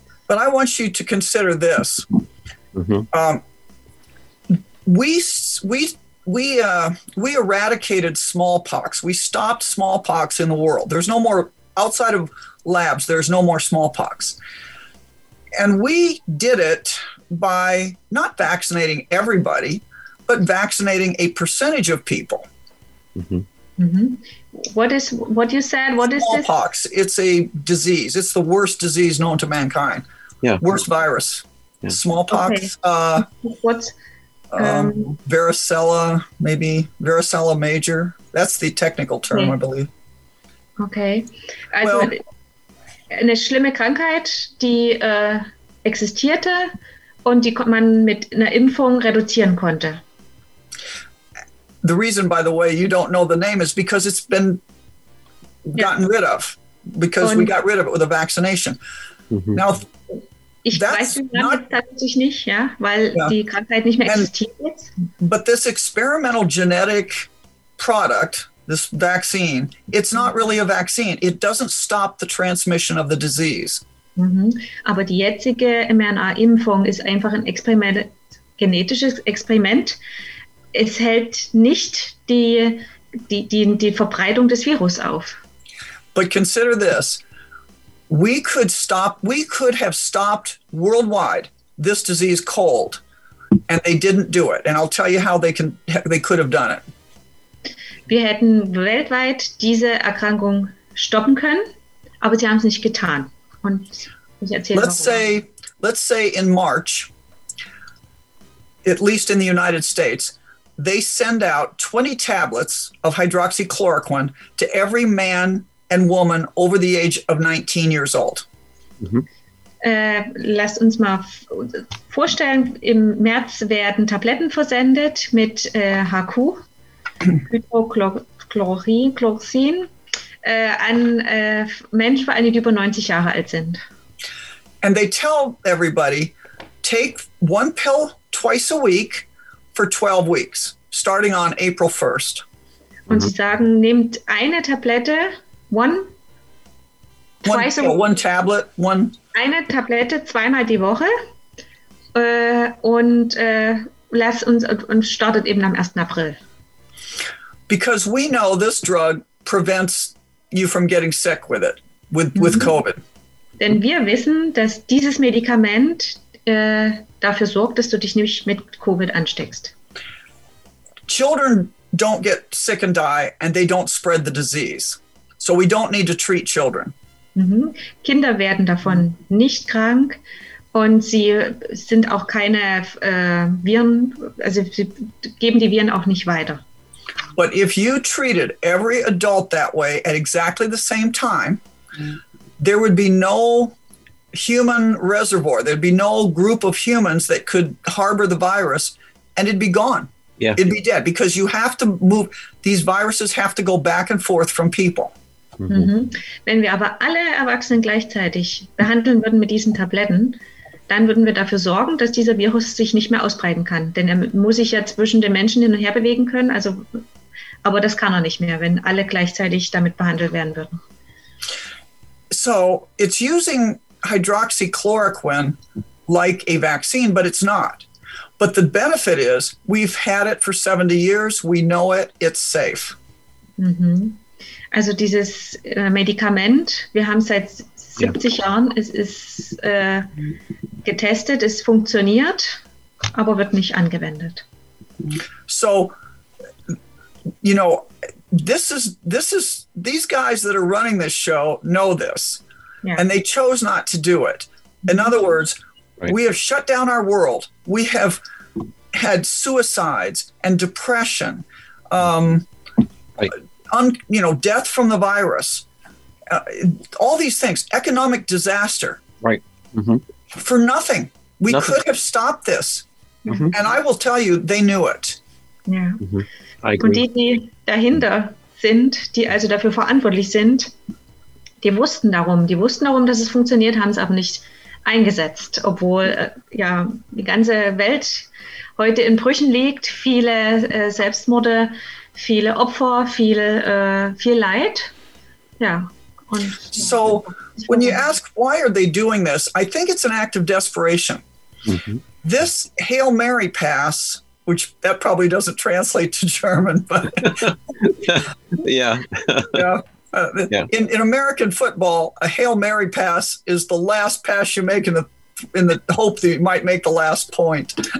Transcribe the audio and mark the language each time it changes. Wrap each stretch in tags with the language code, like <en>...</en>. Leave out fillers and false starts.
<en>But I want you to consider this. Mm-hmm. We eradicated smallpox. We stopped smallpox in the world. There's no more, outside of labs, there's no more smallpox. And we did it by not vaccinating everybody, but vaccinating a percentage of people. Mm-hmm. Mm-hmm. Smallpox, it's a disease. It's the worst disease known to mankind. Yeah. Worst virus. Yeah. Smallpox. Okay. Varicella, maybe varicella major. That's the technical term, okay. I believe. Okay.</en> <de>Also,</de> <en>well,</en> <de>eine schlimme Krankheit, die existierte und die man mit einer Impfung reduzieren konnte.</de> <en>The reason, by the way, you don't know the name is because it's been gotten rid of, because we got rid of it with a vaccination. Mm-hmm. Now,</en> <de>ich weiß tatsächlich nicht, ja, weil die Krankheit nicht mehr existiert jetzt.</de> <en>But this experimental genetic product, this vaccine, it's not really a vaccine. It doesn't stop the transmission of the disease. Mm-hmm.</en> <de>Aber die jetzige mRNA-Impfung ist einfach ein genetisches Experiment. Es hält nicht die Verbreitung des Virus auf.</de> <en>But consider this. We could have stopped worldwide this disease cold, and they didn't do it. And I'll tell you how they could have done it.</en> <de>Wir hätten weltweit diese Erkrankung stoppen können, aber sie haben es nicht getan. Und ich erzähle</de> <en>Let's say in March, at least in the United States, they send out 20 tablets of hydroxychloroquine to every man and woman over the age of 19 years old. Mm-hmm.</en> <de>Lasst uns mal vorstellen, im März werden Tabletten versendet mit HQ, Hydrochloroxin, an Menschen, vor allem, die über 90 Jahre alt sind.</de> <en>And they tell everybody, take one pill twice a week for 12 weeks, starting on April 1st.</en> <de>Und sie sagen, nehmt eine Tablette, eine Tablette zweimal die Woche und startet eben am 1. April.</de> <en>Because we know this drug prevents you from getting sick with it, with COVID.</en> <de>Denn wir wissen, dass dieses Medikament dafür sorgt, dass du dich nicht mit COVID ansteckst.</de> <en>Children don't get sick and die and they don't spread the disease. So we don't need to treat children. Mm-hmm.</en> <de>Kinder werden davon nicht krank und sie sind auch keine Viren, also sie geben die Viren auch nicht weiter.</de> <en>But if you treated every adult that way at exactly the same time, there would be no human reservoir. There'd be no group of humans that could harbor the virus and it'd be gone. Yeah. It'd be dead because you have to move, these viruses have to go back and forth from people. Mhm.</en> <de>Wenn wir aber alle Erwachsenen gleichzeitig behandeln würden mit diesen Tabletten, dann würden wir dafür sorgen, dass dieser Virus sich nicht mehr ausbreiten kann. Denn er muss sich ja zwischen den Menschen hin und her bewegen können. Also, aber das kann er nicht mehr, wenn alle gleichzeitig damit behandelt werden würden.</de> <en>So, it's using hydroxychloroquine like a vaccine, but it's not. But the benefit is, we've had it for 70 years, we know it, it's safe. Mhm.</en> <de>Also dieses Medikament, wir haben es seit 70 Jahren, es ist getestet, es funktioniert, aber wird nicht angewendet.</de> <en>So, you know, this is these guys that are running this show know this. Yeah. And they chose not to do it. In other words, right. We have shut down our world. We have had suicides and depression. Death from the virus, all these things, economic disaster. Right. Mm-hmm. For nothing. We could have stopped this. Mm-hmm. And I will tell you, they knew it. Yeah. Mm-hmm. I agree.</en> <de>Und die dahinter sind, die also dafür verantwortlich sind, Die wussten darum, dass es funktioniert, haben es aber nicht eingesetzt, obwohl ja die ganze Welt heute in Brüchen liegt, viele Selbstmorde, viele Opfer, viel Leid. Ja. Und,</de> <en>so, when you ask why are they doing this, I think it's an act of desperation. Mm-hmm. This Hail Mary pass, which that probably doesn't translate to German, but in American football, a Hail Mary pass is the last pass you make in the hope that you might make the last point.</en>